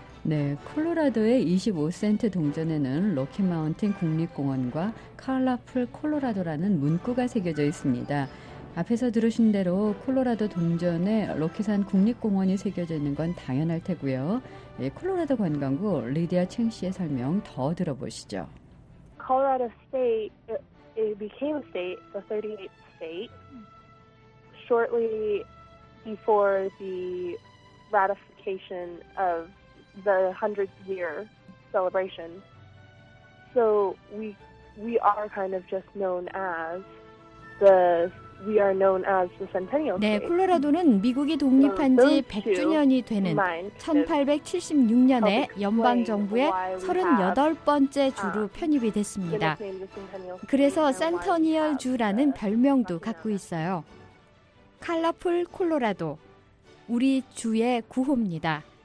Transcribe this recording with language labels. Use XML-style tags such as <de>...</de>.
<ko>네, 콜로라도의 25센트 동전에는 로키마운틴 국립공원과 컬러풀 콜로라도라는 문구가 새겨져 있습니다. 앞에서 들으신 대로 콜로라도 동전에 로키산 국립공원이 새겨져 있는 건 당연할 테고요. 예, 콜로라도 관광국 리디아 챙 씨의 설명 더 들어보시죠.</ko> <en>Colorado state, it became a state, the 38th state, shortly before the ratification of the 100th year celebration. So we are kind of just known as the We are known as the Centennial State.</en> <ko>네, 콜로라도는 미국이 독립한 지 100주년이 되는 1876년에 연방정부의 38번째 주로 편입이 됐습니다. 그래서 센터니얼 주라는 별명도 갖고 있어요. 컬러풀 콜로라도, 우리 주의 구호입니다.</ko>